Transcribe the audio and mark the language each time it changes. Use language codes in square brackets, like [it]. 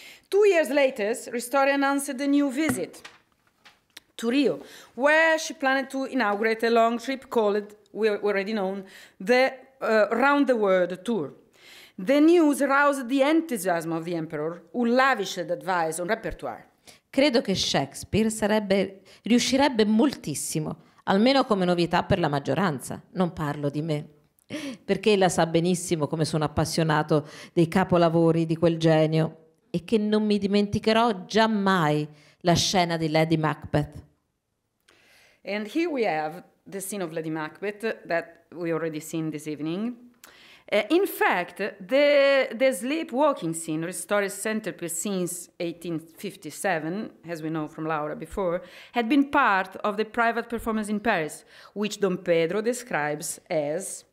[en] 2 years later, Ristori announced a new visit to Rio, where she planned to inaugurate a long trip called, we already know, the round the world tour. The news roused the enthusiasm of the emperor, who lavished advice on repertoire. [it] Credo che Shakespeare sarebbe riuscirebbe moltissimo, almeno come novità per la maggioranza. Non parlo di me, perché ella sa benissimo come sono appassionato dei capolavori di quel genio e che non mi dimenticherò giammai la scena di Lady Macbeth. [en] And here we have the scene of Lady Macbeth that we already seen this evening. In fact, the sleepwalking scene, Ristori's centerpiece since 1857, as we know from Laura before, had been part of the private performance in Paris, which Don Pedro describes as